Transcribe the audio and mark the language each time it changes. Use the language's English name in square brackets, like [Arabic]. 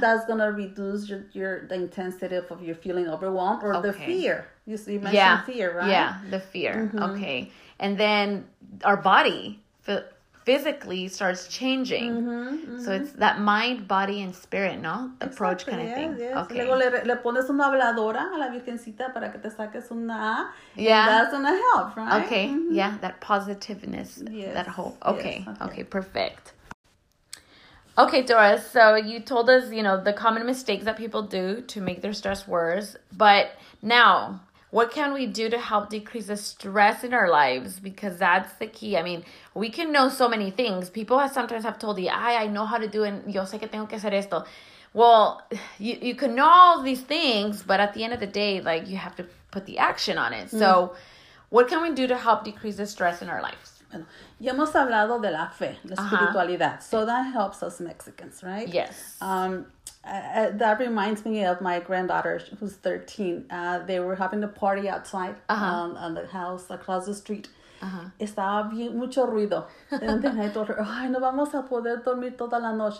[English] That's going to reduce the intensity of your feeling overwhelmed or the fear. You mentioned fear, right? Yeah, the fear. Mm-hmm. Okay. And then our body. physically starts changing. Mm-hmm, mm-hmm. So it's that mind, body, and spirit, no? Approach kind of thing. Yes. Okay. [Spanish] Luego le pones una habladora a la virgencita para que te saques una A. [English] Yeah. And that's going to help, right? Okay. Mm-hmm. Yeah, that positiveness, yes. That hope. Okay. Yes. Okay. Okay, perfect. Okay, Dora, so you told us, you know, the common mistakes that people do to make their stress worse. But now, what can we do to help decrease the stress in our lives? Because that's the key. I mean, we can know so many things. People have sometimes have told you, I know how to do it. [Spanish] Yo sé que tengo que hacer esto. [English] Well, you can know all these things, but at the end of the day, like, you have to put the action on it. So what can we do to help decrease the stress in our lives? [Spanish] Bueno, ya hemos hablado de la fe, la espiritualidad. [English] Uh-huh. So that helps us Mexicans, right? Yes. That reminds me of my granddaughter, who's 13. They were having a party outside on the house across the street. Uh-huh. [Spanish] Estaba bien, mucho ruido. [English] And then I told her, [Spanish] ay, no vamos a poder dormir toda la noche.